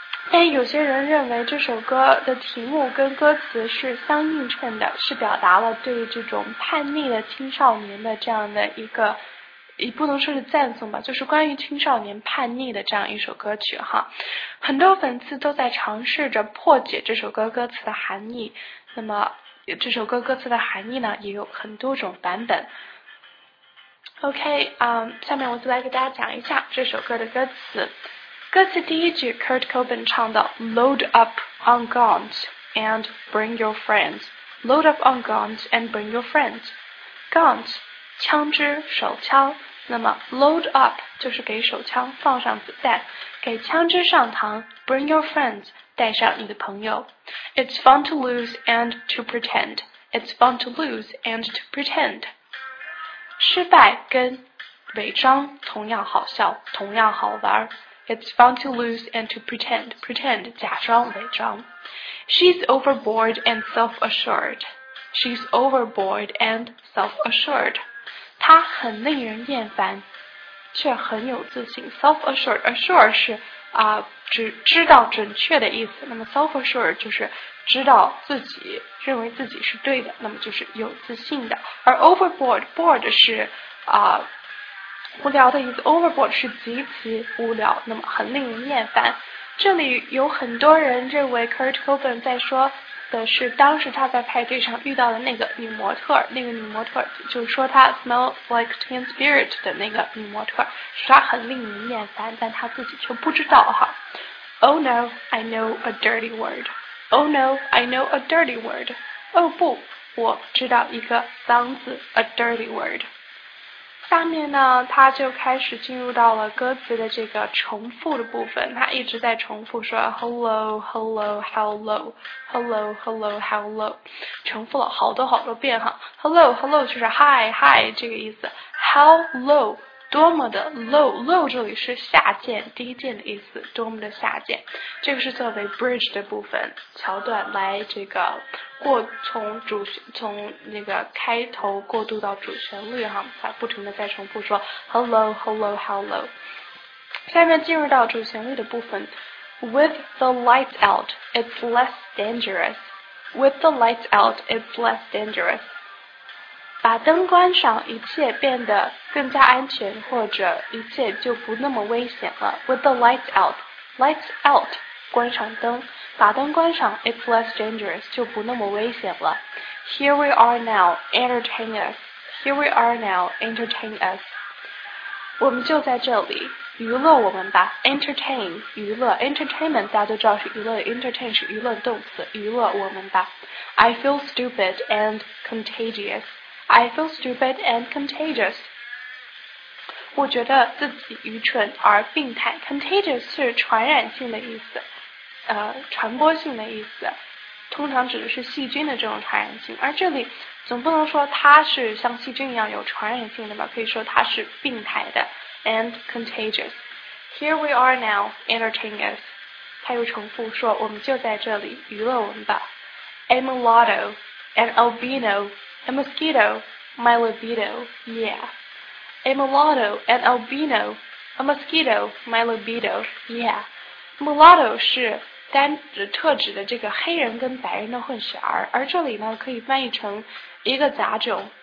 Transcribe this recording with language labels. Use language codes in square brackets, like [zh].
[zh] 但有些人认为这首歌的题目跟歌词是相映衬的，是表达了对这种叛逆的青少年的这样的一个，也不能说是赞颂吧，就是关于青少年叛逆的这样一首歌曲哈。很多粉丝都在尝试着破解这首歌歌词的含义，那么这首歌歌词的含义呢也有很多种版本。 OK， 下面我就来给大家讲一下这首歌的歌词。歌词第一句 [en] Kurt Cobain 唱的 Load up on guns and bring your friends， Load up on guns and bring your friends， Guns [zh] 枪支，手枪。那么 Load up 就是给手枪放上子弹，给枪支上膛， [en] Bring your friends [zh] 带上你的朋友。 [en] It's fun to lose and to pretend， It's fun to lose and to pretend， [zh] 失败跟伪装同样好笑，同样好玩。 [en] It's fun to lose and to pretend. [zh] Pretend, 假装伪装。 [en] She's overboard and self-assured. She's overboard and self-assured. [zh] 她很令人厌烦，却很有自信。 Self-assured, assured 是知道准确的意思。那么 self-assured 就是知道自己，认为自己是对的，那么就是有自信的。而 overboard, board 是无聊的意思 overboard 是极其无聊，那么很令人厌烦。这里有很多人认为 Kurt Cobain 在说的是当时他在派对上遇到的那个女模特，那个女模特就是说他 [en] smell like teen spirit [zh] 的那个女模特，说他很令人厌烦，但他自己却不知道哈。 [en] Oh no, I know a dirty word. Oh no, I know a dirty word. [zh] Oh 不，我知道一个脏字 ， [en] a dirty word。 [zh] 下面呢，他就开始进入到了歌词的这个重复的部分，他一直在重复说 [en] hello, hello, hello, hello, [zh] hello, hello, 重复了好多好多遍哈。 Hello, hello 就是 hi, hi 这个意思。 [en] How low? [zh] 多么的 low, low 这里是下贱低贱的意思，多么的下贱。这个是作为 bridge 的部分桥段来这个过从那个开头过渡到主旋律哈，它不停的在重复说 hello, hello, hello。下面进入到主旋律的部分 [en] ,with the lights out, it's less dangerous. With the lights out, it's less dangerous. [zh] 把灯关上，一切变得更加安全，或者一切就不那么危险了。 [en] With the lights out, lights out, [zh] 关上灯，把灯关上 [en] ，it's less dangerous, [zh] 就不那么危险了。 [en] Here we are now, entertain us. Here we are now, entertain us. [zh] 我们就在这里，娱乐我们吧。Entertain, 娱乐 ，entertainment 大家都知道是娱乐 ，entertain 是娱乐动词，娱乐我们吧。 [en] I feel stupid and contagious. I feel stupid and contagious. [zh] 我觉得自己愚蠢而病态。Contagious 是传染性的意思，传播性的意思，通常指的是细菌的这种传染性。而这里总不能说它是像细菌一样有传染性的吧？可以说它是病态的 and contagious. [en] Here we are now, entertain us. [zh] 他又重复说：“我们就在这里，娱乐我们吧。” [en] A mulatto, an albino. A mosquito, my libido, yeah. A mulatto, an albino, a mosquito, my libido, yeah. [zh] Mulatto 是单指特指的这个黑人跟白人的混血儿，而这里呢可以翻译成一个杂种。